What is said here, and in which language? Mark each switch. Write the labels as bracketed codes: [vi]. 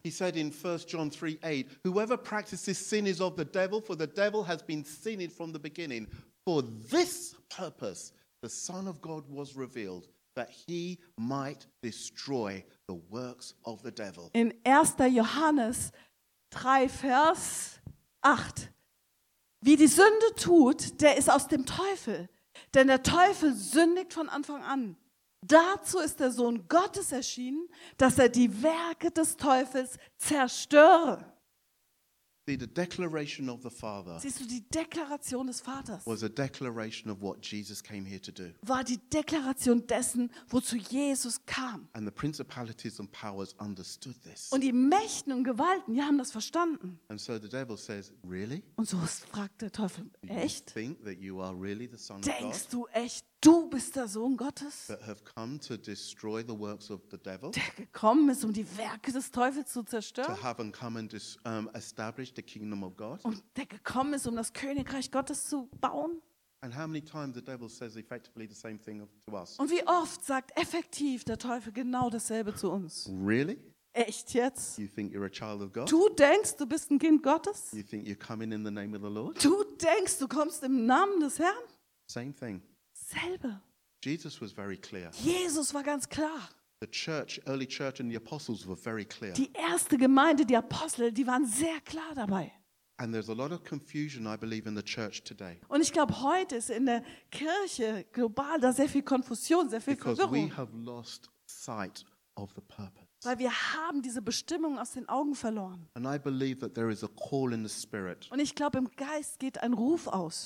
[en] He said in 1 John 3:8, whoever practices sin is of the devil, for the devil has been sinning from the beginning. For this purpose the Son of God was revealed, that he might destroy the works of the devil. [de] In 1. Johannes 3 Vers 8. Wie die Sünde tut, der ist aus dem Teufel, denn der Teufel sündigt von Anfang an. Dazu ist der Sohn Gottes erschienen, dass er die Werke des Teufels zerstöre. Siehst du, die Deklaration des Vaters [en] was a declaration of what Jesus came here to do. [de] War die Deklaration dessen, wozu Jesus kam. [en] And the principalities and powers understood this. [de] Und die Mächten und Gewalten, die haben das verstanden. [en] And so the devil says, really? [de] Und so fragt der Teufel, echt? [en] You think that you are really the Son [de] Denkst [en] of God? [de] Du echt, du bist der Sohn Gottes? [en] That have come to destroy the works of the devil? [de] Der gekommen ist, um die Werke des Teufels zu zerstören? [en] To have and come and establish the kingdom of God. [de] Und der gekommen ist, um das Königreich Gottes zu bauen. [en] And how many times the devil says effectively the same thing to us? [de] Und wie oft sagt effektiv der Teufel genau dasselbe zu uns? [en] Really? [de] Echt jetzt? [en] You think you're a child of God? [de] Du denkst, du bist ein Kind Gottes? [en] You think you're coming in the name of the Lord? [de] Du denkst, du kommst im Namen des Herrn? [en] Same thing. [de] Selbe. [en] Jesus was very clear. [de] Jesus war ganz klar. [en] The church, early church and the apostles were very clear. [de] Die erste Gemeinde, die Apostel, die waren sehr klar dabei. [en] And there's a lot of confusion, I believe, in the church today. [de] Und ich glaube, heute ist in der Kirche global da sehr viel Konfusion, sehr viel [en] Because [de] Verwirrung. [en] Because we have lost sight of the purpose. [de] Weil wir haben diese Bestimmung aus den Augen verloren. [en] And I believe that there is a call in the spirit. [de] Und ich glaube, im Geist geht ein Ruf aus.